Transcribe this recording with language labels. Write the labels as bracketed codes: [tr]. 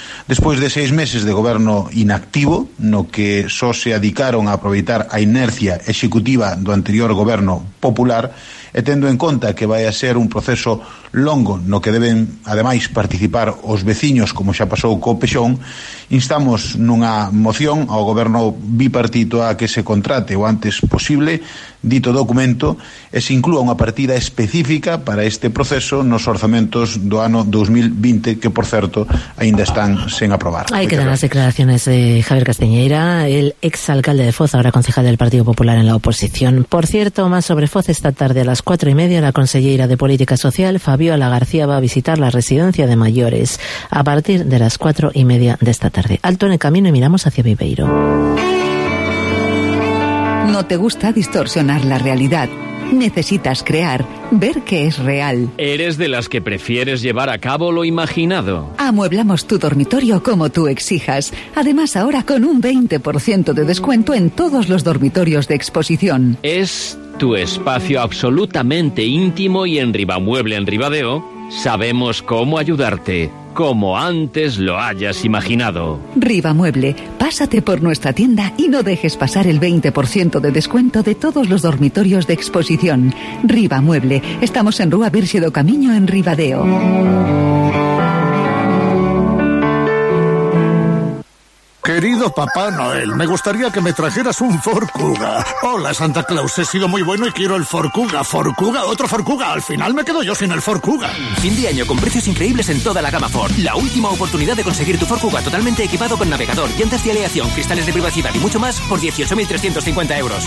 [gl] Despois de 6 meses de goberno inactivo, no que só se adicaron a aproveitar a inercia executiva do anterior goberno popular, e tendo en conta que vai a ser un proceso longo no que deben, ademais, participar os veciños, como xa pasou co Peixón, instamos nunha moción ao goberno bipartito a que se contrate o antes posible dito documento e se inclúa unha partida específica para este proceso nos orzamentos do ano 2020, que, por certo, aínda están sen aprobar. [es] Aí quedan as declaraciones de Javier Castiñeira, el exalcalde de Foz, ahora concejal del Partido Popular en la oposición. Por cierto, más sobre Foz esta tarde a las 4:30, la conselleira de Política Social, Fabiola García, va a visitar la residencia de mayores a partir de las 4:30 de esta tarde. Alto en el camino y miramos hacia Viveiro. ¿No te gusta distorsionar la realidad? Necesitas crear, ver qué es real. ¿Eres de las que prefieres llevar a cabo lo imaginado? Amueblamos tu dormitorio como tú exijas. Además, ahora con un 20% de descuento en todos los dormitorios de exposición. Es tu espacio absolutamente íntimo y en Ribamueble en Ribadeo sabemos cómo ayudarte, como antes lo hayas imaginado. Ribamueble, pásate por nuestra tienda y no dejes pasar el 20% de descuento de todos los dormitorios de exposición. Ribamueble, estamos en Rúa Virxe do Camiño en Ribadeo. Querido Papá Noel, me gustaría que me trajeras un Forcuga. Hola, Santa Claus, he sido muy bueno y quiero el Forcuga. Forcuga, otro Forcuga. Al final me quedo yo sin el Forcuga. Fin de año con precios increíbles en toda la gama Ford. La última oportunidad de conseguir tu Forcuga totalmente equipado con navegador, llantas de aleación, cristales de privacidad y mucho más por 18.350 euros.